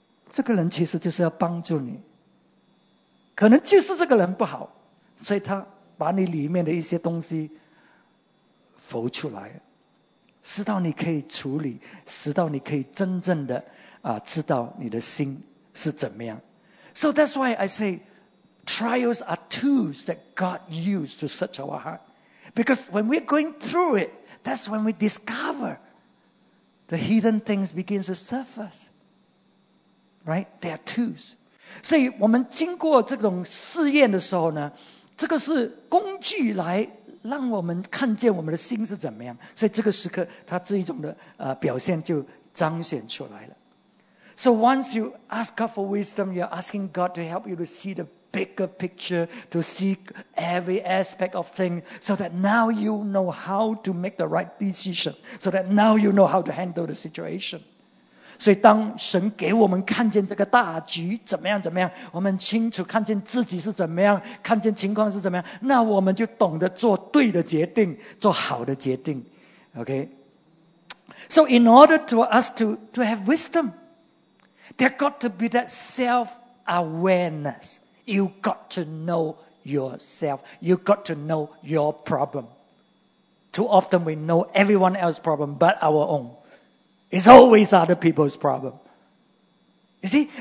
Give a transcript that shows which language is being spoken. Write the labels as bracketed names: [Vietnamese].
[Chinese] 这个人其实就是要帮助你，可能就是这个人不好，所以他把你里面的一些东西浮出来，使到你可以处理，使到你可以真正的啊知道你的心是怎么样。 [English] So that's why I say. Trials are tools that God used to search our heart. Because when we're going through it, that's when we discover the hidden things begin to surface. Right? They are tools. [Chinese] 所以我们经过这种试验的时候呢，这个是工具来让我们看见我们的心是怎么样。所以这个时刻它这一种的表现就彰显出来了。 [English] So once you ask God for wisdom, you're asking God to help you to see the bigger picture, to see every aspect of things, so that now you know how to make the right decision, so that now you know how to handle the situation. [Chinese] 所以当神给我们看见这个大局怎么样怎么样，我们清楚看见自己是怎么样，看见情况是怎么样，那我们就懂得做对的决定，做好的决定。 [English] Okay. So in order to us to have wisdom, there got to be that self-awareness. You got to know yourself. You got to know your problem. Too often we know everyone else's problem but our own. It's always other people's problem. You see?